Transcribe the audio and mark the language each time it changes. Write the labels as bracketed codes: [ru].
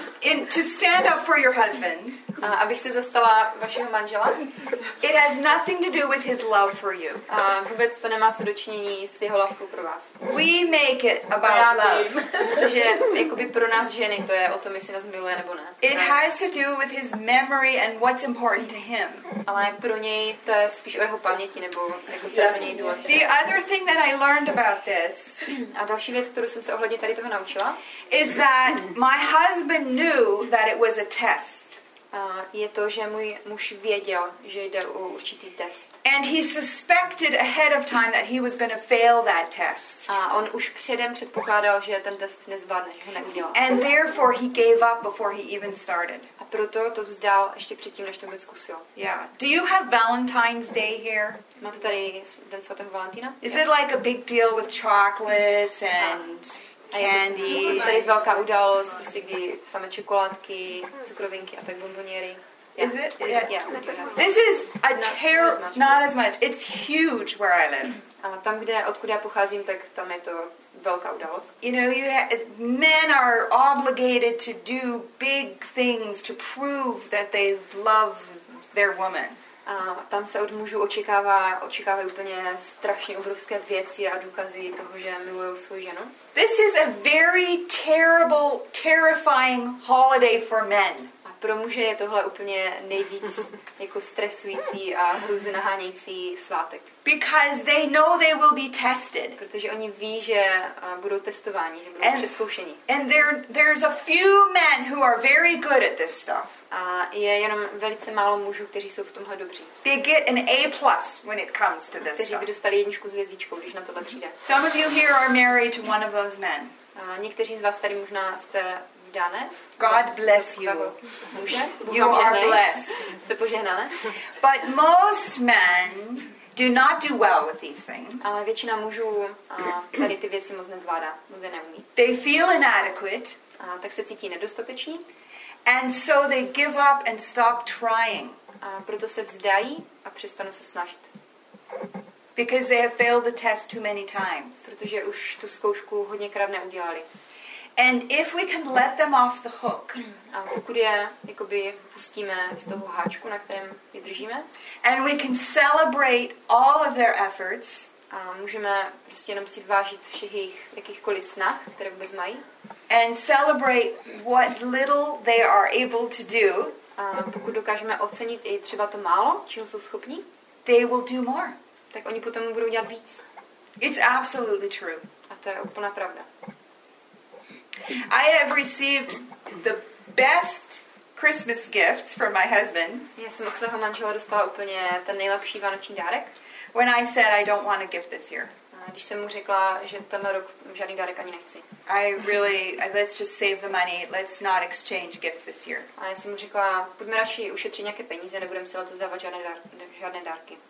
[en] in to stand up for your husband. [cs] Abych se zastala vašeho manžela. [en] It has nothing to do with his love for you. [cs] Vůbec to nemá co dočinění s jeho láskou pro vás. [en] We make it about love. [cs] Že jakoby pro nás ženy to je o tom, jestli nás miluje nebo ne. [en] It has to do with his memory and what's important to him. [cs] Ale pro něj to je spíš o jeho paměti nebo jako co pro něj důležité. [en] The other thing that I learned about this. [cs] A další věc, kterou jsem se ohledně tady toho naučila. [en] Is that my husband knew that it was a test. [cs] Je to, že můj muž věděl, že jde o určitý test. [en] And he suspected ahead of time that he was going to fail that test. [cs] A on už předem předpokládal, že ten test nezvládne, že ho neudělá. [en] And therefore he gave up before he even started. [cs] A proto to vzdal ještě předtím, než to vůbec zkusil. [en] Yeah. Do you have Valentine's Day here? [cs] Máte tady den svatého Valentína? [en] Is it like a big deal with chocolates and candy. [cs] Tady je velká událost, prostě kdy samé čokoládky, cukrovinky a tak bomboniery. [en] Is it? Yeah. This is a terrible, not as much. It's huge where I live. [cs] A tam, kde, odkud já pocházím, tak tam je to velká událost. [en] You know, men are obligated to do big things to prove that they love their woman. [cs] A tam se od mužů očekávají úplně strašně obrovské věci a důkazy toho, že milují svou ženu. [en] This is a very terrible, terrifying holiday for men. [cs] A pro muže je tohle úplně nejvíc jako stresující a hrůzu nahánějící svátek. [en] Because they know they will be tested. [cs] Protože oni ví, že budou testováni, že budou přeskoušeni. [en] And there's a few men who are very good at this stuff. [cs] A je jenom velice málo mužů, kteří jsou v tomhle dobří. [en] They get an A+ when it comes to this. [cs] Kteří by dostali jedničku s hvězdičkou, když na tohle přijde. [en] Some of you here are married to one of those men. [cs] Někteří z vás tady možná jste vdané. [en] God bless you. [cs] Muže? [en] You are blessed. [cs] Jste požehnané. [en] But most men do not do well with these things. [cs] Ale většina mužů tady ty věci moc nezvládá, moc je neumí. [en] They feel inadequate. [cs] Tak se cítí nedostateční. [en] And so they give up and stop trying. [cs] A proto se vzdají a přestanou se snažit. [en] Because they have failed the test too many times. [cs] Protože už tu zkoušku hodněkrát neudělali. [en] And if we can let them off the hook. [cs] A pokud je jakoby pustíme z toho háčku, na kterém je držíme. [en] And we can celebrate all of their efforts. [cs] A můžeme prostě jenom si vážit všech jejich jakýchkoliv snah, které vůbec mají. [en] And celebrate what little they are able to do. [cs] A pokud dokážeme ocenit i třeba to málo, čeho jsou schopní, [en] they will do more. [cs] Tak oni potom budou dělat víc. [en] It's absolutely true. [cs] A to je úplná pravda. [en] I have received the best Christmas gifts from my husband. [cs] Já jsem od svého manžela dostala úplně ten nejlepší vánoční dárek. [en] When I said I don't want a gift this year. [cs] Když jsem mu řekla, že tenhle rok žádný dárek ani nechci. [en] Let's just save the money. Let's not exchange gifts this year. [cs] A já jsem mu řekla, pojďme radši ušetřit nějaké peníze, nebudeme si letos dávat žádné dárky.